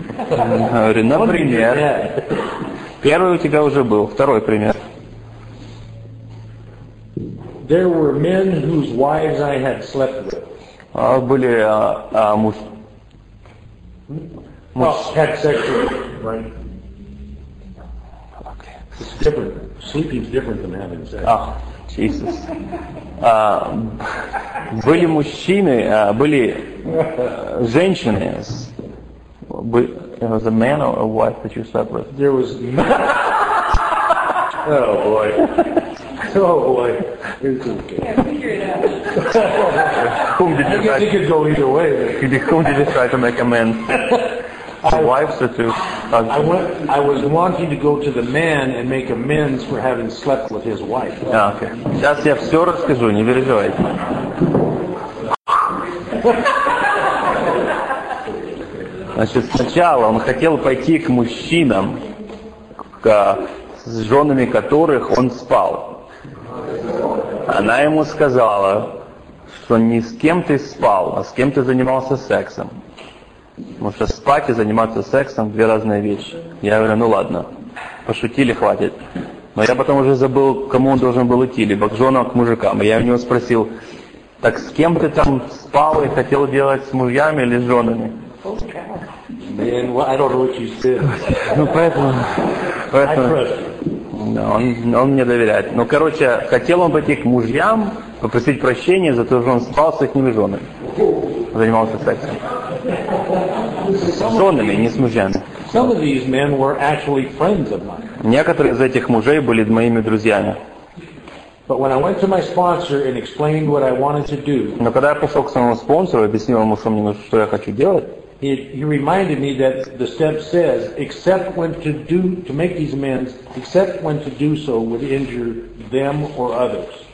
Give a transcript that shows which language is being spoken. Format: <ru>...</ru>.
<ru>Говорю, например, первый у тебя уже был, второй пример.</ru> <en>There were men whose wives I had slept with.</en> <ru>Были муж.</ru> <en>Had sex with, right? It's different. Sleeping's different than having sex. Jesus. Были мужчины, были женщины. But it was a man or a wife that you slept with? There was Oh boy. It's okay. Yeah, figure it out. I guess it could go either way. Whom did you try to make amends? to wives or to husbands? I was wanting to go to the man and make amends for having slept with his wife.</en> <ru>А, окей. Сейчас я все расскажу, не переживайте. Значит, сначала он хотел пойти к мужчинам, с женами которых он спал. Она ему сказала, что не с кем ты спал, а с кем ты занимался сексом. Потому что спать и заниматься сексом – две разные вещи. Я говорю, ну ладно, пошутили, хватит. Но я потом уже забыл, к кому он должен был идти, либо к женам, к мужикам. И я у него спросил, так с кем ты там спал и хотел делать с мужьями или с женами?</ru> <en>Man, well, I don't know what you said.</en> <ru>Ну поэтому</ru> <en>I trust you.</en> <ru>Он мне доверяет. Ну, короче, хотел он пойти к мужьям, попросить прощения за то, что он спал с их женами. Занимался сексом. С женами, не с мужьями.</ru> <en>Some of these men were actually friends of mine.</en> <ru>Некоторые из этих мужей были моими друзьями.</ru> <en>But when I went to my sponsor and explained what I wanted to do.</en> <ru>Но когда я пошел к своему спонсору и объяснил ему, что я хочу делать.</ru> <en>He reminded me that the step says, except when to make these amends, except when to do so would injure them or others.</en>